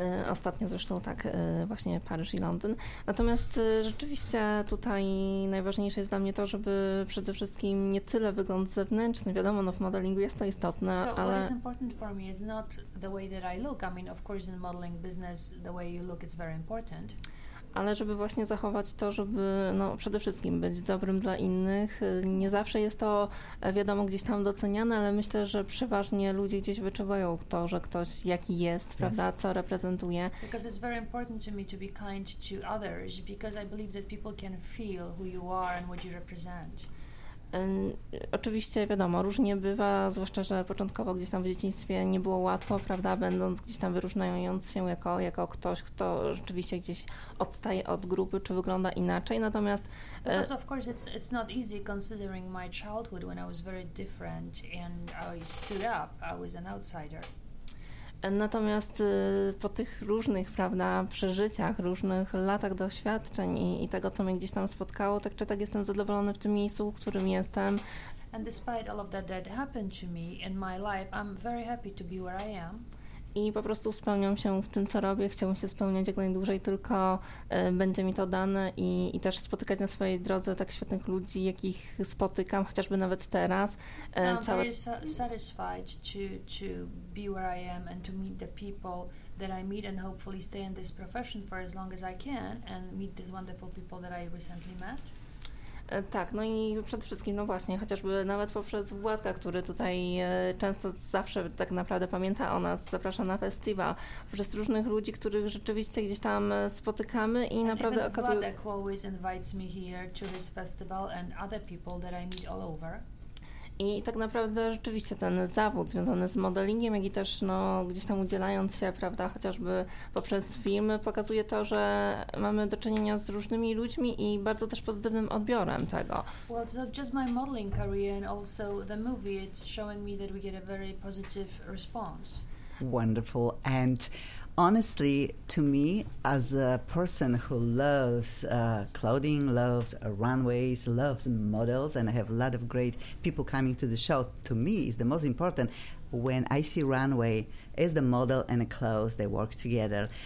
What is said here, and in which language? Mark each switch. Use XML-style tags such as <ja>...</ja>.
<pl>Ostatnio zresztą tak, właśnie Paryż i Londyn. Natomiast rzeczywiście tutaj najważniejsze jest dla mnie to, żeby przede wszystkim nie tyle wygląd zewnętrzny, wiadomo, no w modelingu jest to istotne, ale...</pl> <en>So what is important for me is not the way that I look. I mean, of course in modeling business the way you look is very important.</en> <pl>Ale żeby właśnie zachować to, żeby no, przede wszystkim być dobrym dla innych. Nie zawsze jest to, wiadomo, gdzieś tam doceniane, ale myślę, że przeważnie ludzie gdzieś wyczuwają to, że ktoś jaki jest, prawda, co reprezentuje.</pl> <en>Because it's very important to me to be kind to others, because I believe that people can feel who you are and what you represent.</en> <pl>Oczywiście, wiadomo, różnie bywa, zwłaszcza, że początkowo gdzieś tam w dzieciństwie nie było łatwo, prawda, będąc gdzieś tam wyróżniając się jako ktoś, kto rzeczywiście gdzieś odstaje od grupy, czy wygląda inaczej, natomiast...</pl> <en>Because of course it's not easy considering my childhood when I was very different and I stood up, I was an outsider.</en> <pl>Natomiast po tych różnych, prawda, przeżyciach, różnych latach doświadczeń i tego, co mnie gdzieś tam spotkało, tak czy tak jestem zadowolony w tym miejscu, w którym jestem.</pl> <en>And despite all of that that happened to me in my life, I'm very happy to be where I am.</en> <pl>I po prostu spełniam się w tym, co robię. Chciałbym się spełniać jak najdłużej, tylko będzie mi to dane i też spotykać na swojej drodze tak świetnych ludzi, jakich spotykam, chociażby nawet teraz.</pl> <en>So I'm very satisfied to be where I am and to meet the people that I meet and hopefully stay in this profession for as long as I can and meet these wonderful people that I recently met.</en> <pl>Tak, no i przede wszystkim, no właśnie, chociażby nawet poprzez Władka, który tutaj często zawsze tak naprawdę pamięta o nas, zaprasza na festiwal, przez różnych ludzi, których rzeczywiście gdzieś tam spotykamy i naprawdę okazuje...</pl> <en>Władek always invites me here to his festival and other people that I meet all over.</en> <pl>I tak naprawdę rzeczywiście ten zawód związany z modelingiem, jak i też no, gdzieś tam udzielając się, prawda, chociażby poprzez filmy, pokazuje to, że mamy do czynienia z różnymi ludźmi i bardzo też pozytywnym odbiorem tego.</pl> <en>Well, it's not just my modeling career and also the movie, it's showing me that we get a very positive response. Wonderful. And honestly, to me, as a person who loves clothing, loves runways, loves models, and I have a lot of great people coming to the show, to me is the most important when I see runway is the model and the clothes, they work together.</en>